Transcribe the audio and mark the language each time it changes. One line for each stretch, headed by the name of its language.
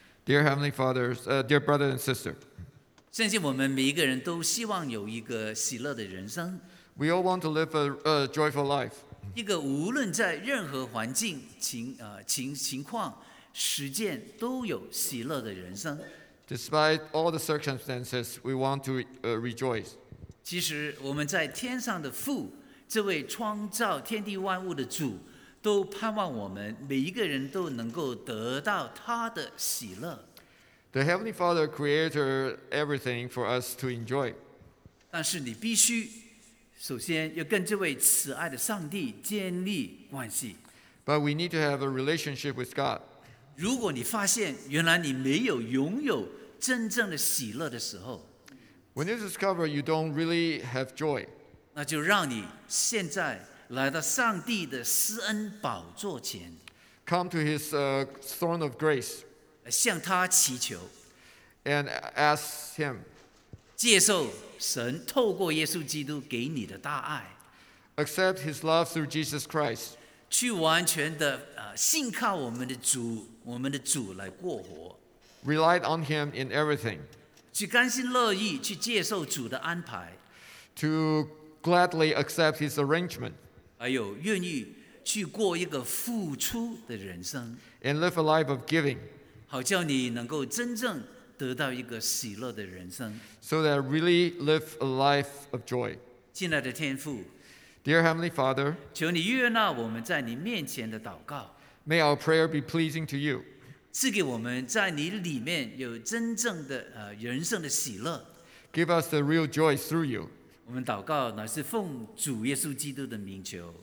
English: ，Dear Heavenly Fathers,、Dear Brother and Sister，
Chinese: 相信我们每一个人都希望有一个喜乐的人生。
English: We all want to live a joyful life.
Chinese: 一个无论在任何环境、情况、时间都有喜乐的人生。
English: Despite all the circumstances, we want to rejoice.
Chinese: 其实我们在天上的父，这位创造天地万物的主，都盼望我们每一个人都能够得到他的喜乐。
English: The Heavenly Father created everything for us to enjoy.
Chinese: 但是你必须首先要跟这位慈爱的上帝建立关系。
English: But we need to have a relationship with God.
Chinese: 如果你发现原来你没有拥有真正的喜乐的时候，
English: When you discover you don't really have joy,
Chinese: 那就让你现在来到上帝的施恩宝座前，
English: Come to his throne of grace,
Chinese: 向他祈求，
English: And ask him,
Chinese: 接受神透过耶稣基督给你的大爱
English: ，accept His love through Jesus Christ，
Chinese: 去完全的信靠我们的主，我们的主来过活
English: ，rely on Him in everything，
Chinese: 去甘心乐意去接受主的安排
English: ，to gladly accept His arrangement，
Chinese: 还有愿意去过一个付出的人生
English: ，and live a life of giving，
Chinese: 好叫你能够真正。得到一个喜乐的人生
English: So that I really live a life of joy
Chinese: 亲爱的天父
English: Dear Heavenly Father
Chinese: 求你悦纳我们在你面前的祷告
English: May our prayer be pleasing to you
Chinese: 赐给我们在你里面有真正的、人生的喜乐
English: Give us the real joy through you
Chinese: 我们祷告乃是奉主耶稣基督的名求